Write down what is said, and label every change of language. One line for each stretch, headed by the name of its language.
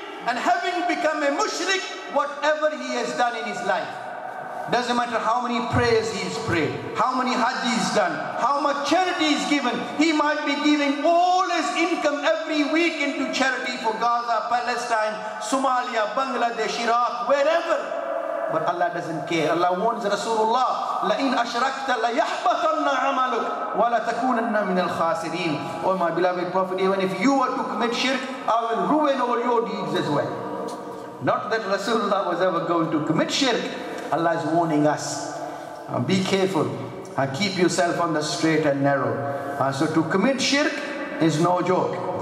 English: And having become a mushrik, whatever he has done in his life, doesn't matter how many prayers he's prayed, how many hajj he's done, how much charity he's given, he might be giving all his income every week into charity for Gaza, Palestine, Somalia, Bangladesh, Iraq, wherever. But Allah doesn't care. Allah warns Rasulullah,
Arabic: لَإِنْ أَشْرَكْتَ لَيَحْبَطَنَّ عَمَلُكَ وَلَتَكُونَنَّ مِنَ الْخَاسِرِينَ.
English: Oh my beloved Prophet, even if you were to commit shirk, I will ruin all your deeds as well. Not that Rasulullah was ever going to commit shirk. Allah is warning us. Be careful. Keep yourself on the straight and narrow. So to commit shirk is no joke.